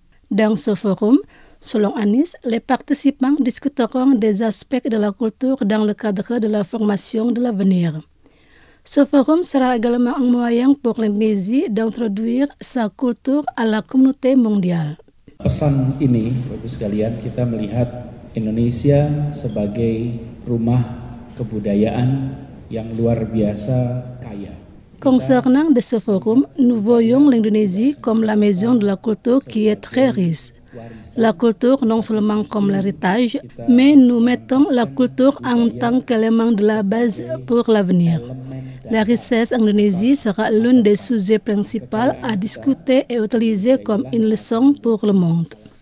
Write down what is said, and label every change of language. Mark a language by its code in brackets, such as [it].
[fr] Dans ce forum, selon Anies, les participants discuteront des aspects de la culture dans le cadre de la formation de l'avenir. Ce forum sera également un moyen pour l'Indonésie d'introduire sa culture à la communauté mondiale. [id] Pesan ini, Bapak sekalian, kita melihat Indonesia sebagai rumah kebudayaan yang luar biasa kaya. [fr] Concernant de ce forum, nous voyons l'Indonésie comme la maison de la culture qui est très riche. La culture non seulement comme l'héritage, mais nous mettons la culture en tant qu'élément de la base pour l'avenir. La richesse en Indonésie sera l'un des sujets principaux à discuter et utiliser comme une leçon pour le monde.